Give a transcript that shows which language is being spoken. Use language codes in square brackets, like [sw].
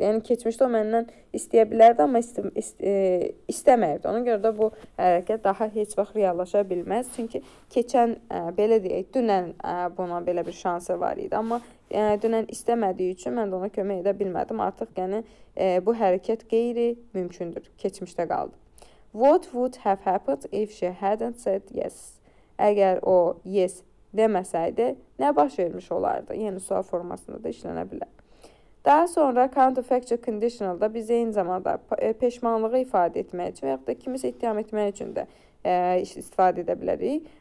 [az] Yəni, keçmişdə o məndən istəyə bilərdi, amma istəməyibdir. Ona görə də bu hərəkət daha heç vaxt reallaşa bilməz. Çünki keçən, belə deyək, dünən buna belə bir şansı var idi. Amma dünən istəmədiyi üçün mən də ona kömək edə bilmədim. Artıq, yəni, bu hərəkət qeyri mümkündür. Keçmişdə qaldı. [en] What would have happened if she hadn't said yes? [az] Əgər o yes deməsəydi, nə baş vermiş olardı? Yəni, sual formasında da işlənə bilər. Daha sonra counterfactual conditionalda biz eyni zamanda peşmanlığı ifadə etmək üçün və yaxud da kimisə ittiham etmək üçün də istifadə edə bilərik.